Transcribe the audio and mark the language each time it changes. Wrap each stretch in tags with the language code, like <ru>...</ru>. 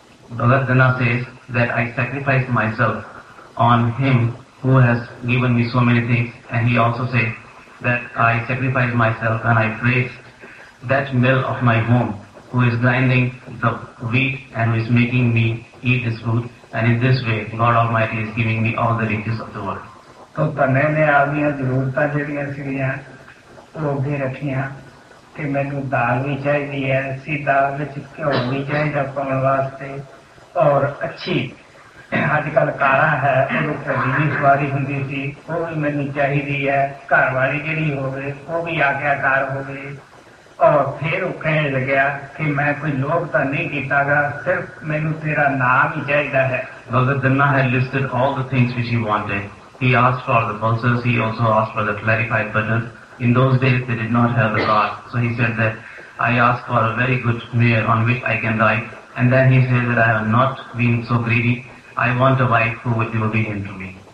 <en>Bhagat Danna says that I sacrifice myself on him who has given me so many things, and he also says that I sacrifice myself and I praise that mill of my home who is grinding the wheat and who is making me eat this food, and in this way God Almighty is giving me all the riches of the world.</en> <pa>ਤੋ ਧੰਨੇ ਨੇ ਆਪਣੀਆਂ ਜ਼ਰੂਰਤਾਂ ਜਿਹੜੀਆਂ ਸੀਗੀਆਂ ਉਹ ਅੱਗੇ ਰੱਖੀਆਂ ਕਿ ਮੈਨੂੰ ਦਾਲ ਵੀ ਚਾਹੀਦੀ ਹੈ, ਅਸੀਂ ਦਾਲ ਵਿੱਚ ਘਿਓ ਵੀ ਚਾਹੀਦਾ ਪਾਉਣ ਵਾਸਤੇ ਔਰ ਅੱਛੀ ਅੱਜ ਕੱਲ੍ਹ ਕਾਰਾਂ ਹੈ ਉਹਨੂੰ ਘੱਡੀ ਵੀ ਸਵਾਰੀ ਹੁੰਦੀ ਸੀ ਉਹ ਵੀ ਮੈਨੂੰ ਚਾਹੀਦੀ ਹੈ, ਘਰ ਵਾਲੀ ਜਿਹੜੀ ਹੋਵੇ ਉਹ ਵੀ ਆਗਿਆਕਾਰ ਹੋਵੇ। ਔਰ ਫਿਰ ਉਹ ਕਹਿਣ ਲੱਗਿਆ ਕਿ ਮੈਂ ਕੋਈ ਲੋਭ ਤਾਂ ਨਹੀਂ ਕੀਤਾ ਗਾ, ਸਿਰਫ ਮੈਨੂੰ ਤੇਰਾ ਨਾਮ ਹੀ ਚਾਹੀਦਾ ਹੈ।</pa> <en>ਬਗਤ ਦਿਨਾ ਹੈ ਲਿਸਟਡ ਆਲ ਦ ਥਿੰਗਸ ਵਿਚ ਹੀ wanted. He asked for the pulses, he also asked for the clarified butter. In those days they did not have the car. So he said that, I asked for a very good mare on which I can ride. And then he said that, I have not been so greedy. I want a wife who would be obedient to me.</en>